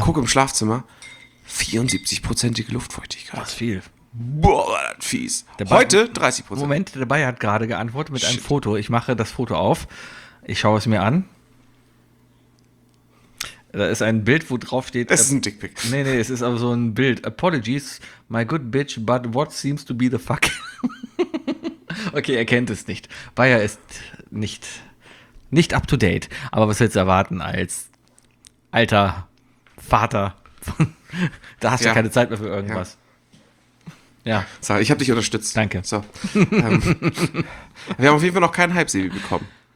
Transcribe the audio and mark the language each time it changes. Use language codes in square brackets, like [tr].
[de] Gucke im Schlafzimmer, 74%ige Luftfeuchtigkeit. Das ist viel. Boah, war das fies. Heute 30%. Moment, der Bayer hat gerade geantwortet mit einem Foto. Ich mache das Foto auf. Ich schaue es mir an. Da ist ein Bild, wo drauf steht. Es ist ein Dickpick. Nee, es ist aber so ein Bild. [en] Apologies, my good bitch, but what seems to be the fuck? [de] Okay, er kennt es nicht. Bayer ist nicht up to date. Aber was willst du erwarten als alter Vater, da hast du ja keine Zeit mehr für irgendwas. Ja. Ja. So, ich habe dich unterstützt. Danke. So, wir haben auf jeden Fall noch keinen Hype-Sebi bekommen.